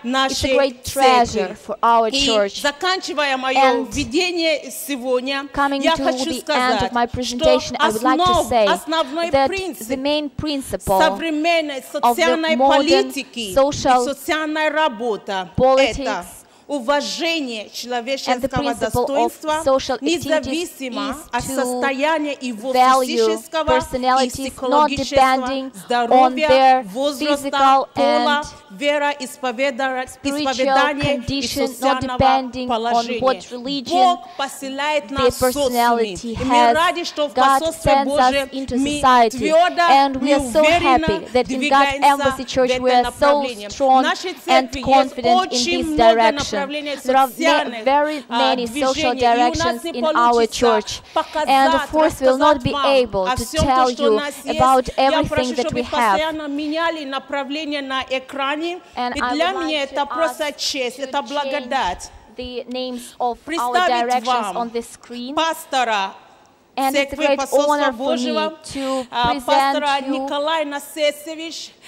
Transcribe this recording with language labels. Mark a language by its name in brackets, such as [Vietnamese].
[English] It's a great treasure for our church. And coming to the end of my presentation, I would like to say that the main principle of the modern social politics [Russian] уважение человеческого достоинства независимо от состояния его физического и психологического здоровья, возраста, пола, вера, исповедание и социального положения. Бог посылает нас в социум. И мы рады, что в посольстве Божие мы твердо и уверенно двигаемся в этом направлении. Нашей церкви есть очень много направлений. [English] There are very many social directions in our church. And of course, we will not be able to tell you about everything that we have. And I [Russian] для меня это просто честь, это благодать. Представить вам пастора церкви посольства Божьего, пастора Николай Нарсесович.